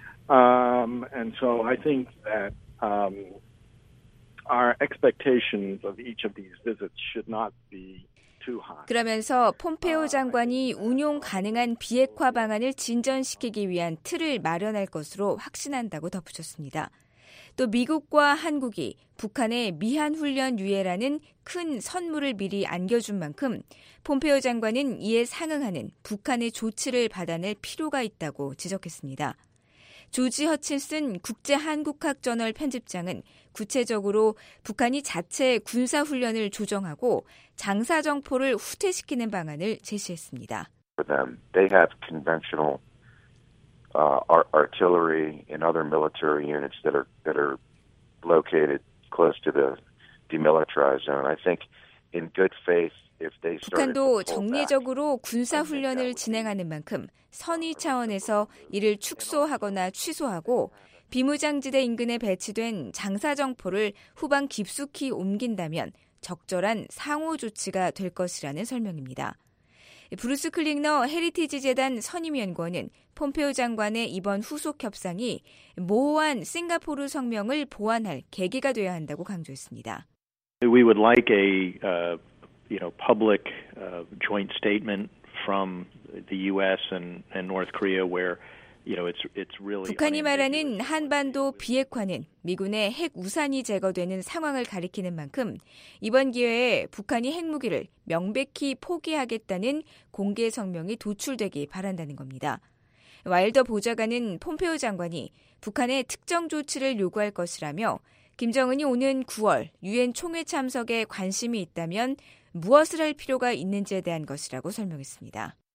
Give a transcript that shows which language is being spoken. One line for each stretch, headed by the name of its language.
English: And so I think that our expectations of each of these visits should not be
Korean: 그러면서 폼페오 장관이 운용 가능한 비핵화 방안을 진전시키기 위한 틀을 마련할 것으로 확신한다고 덧붙였습니다. 또 미국과 한국이 북한의 미한 훈련 유예라는 큰 선물을 미리 안겨준 만큼 폼페오 장관은 이에 상응하는 북한의 조치를 받아낼 필요가 있다고 지적했습니다. 조지 허친슨 국제한국학저널 편집장은 구체적으로 북한이 자체 군사훈련을 조정하고 장사정포를 후퇴시키는 방안을 제시했습니다.
English: They have conventional artillery and other military units that are located close to the demilitarized zone. I think in good faith.
Korean: 북한도 정례적으로 군사훈련을 진행하는 만큼 선의 차원에서 이를 축소하거나 취소하고 비무장지대 인근에 배치된 장사정포를 후방 깊숙이 옮긴다면 적절한 상호 조치가 될 것이라는 설명입니다. 브루스 클릭너 헤리티지 재단 선임연구원은 폼페오 장관의 이번 후속 협상이 모호한 싱가포르 성명을 보완할 계기가 되어야 한다고 강조했습니다.
English: We would like a public joint statement from the U.S. and North Korea, where it's really
Korean: 북한이 말하는 한반도 비핵화는 미군의 핵 우산이 제거되는 상황을 가리키는 만큼 이번 기회에 북한이 핵무기를 명백히 포기하겠다는 공개 성명이 도출되기 바란다는 겁니다. 와일더 보좌관은 폼페오 장관이 북한의 특정 조치를 요구할 것이라며 김정은이 오는 9월 유엔 총회 참석에 관심이 있다면 무엇을 할 필요가 있는지에 대한 것이라고 설명했습니다.